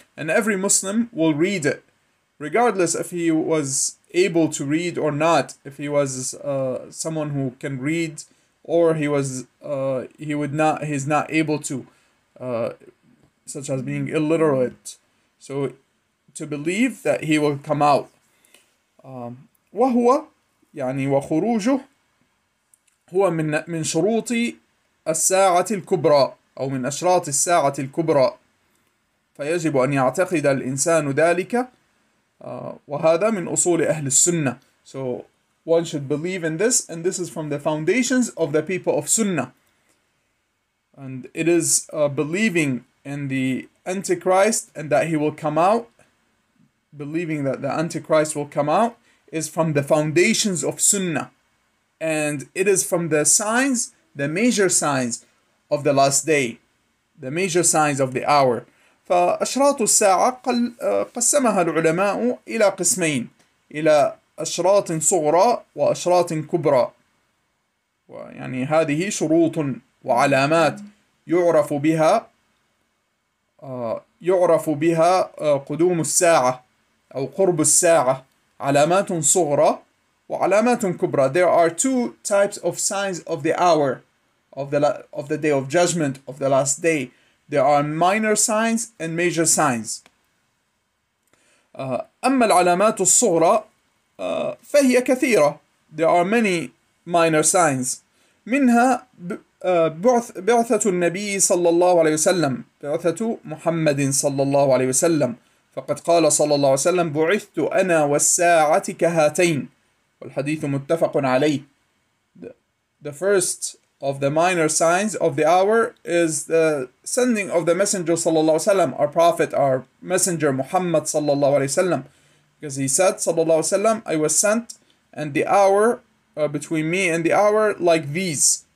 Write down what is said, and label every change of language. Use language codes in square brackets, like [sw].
[en] And every Muslim will read it, regardless if he was able to read or not, if he was someone who can read or he was he's not able to, such as being illiterate. So to believe that he will come out. [ar] وهو يعني وخروجه هو من شروط الساعة الكبرى أو من أشراط الساعة الكبرى. فيجب أن يعتقد الإنسان ذلك. وهذا من أصول أهل السنة. So [en] one should believe in this, and this is from the foundations of the people of Sunnah. And it is believing in the Antichrist and that he will come out, believing that the Antichrist will come out, is from the foundations of Sunnah. And it is from the signs, the major signs of the last day, the major signs of the hour. [ar] فأشراط الساعة قسمها العلماء إلى قسمين إلى أشراط صغرى وأشراط كبرى ويعني هذه شروط وعلامات يعرف بها قدوم الساعة أو قرب الساعة علامات صغرى وعلامات كبرى. [en] There are two types of signs of the hour, of the day of judgment, of the last day. There are minor signs and major signs. [ar] أما العلامات الصغرى فهي كثيرة. [en] There are many minor signs. [ar] منها بعثة النبي صلى الله عليه وسلم. بعثة محمد صلى الله عليه وسلم. فقد قال صلى الله عليه وسلم بعثت أنا والساعة كهاتين. والحديث متفق عليه. [en] The first of the minor signs of the hour is the sending of the messenger [ar] صلى الله عليه وسلم, [en] our prophet, our messenger Muhammad صلى الله عليه وسلم, because he said صلى الله عليه وسلم I was sent and the hour between me and the hour like these.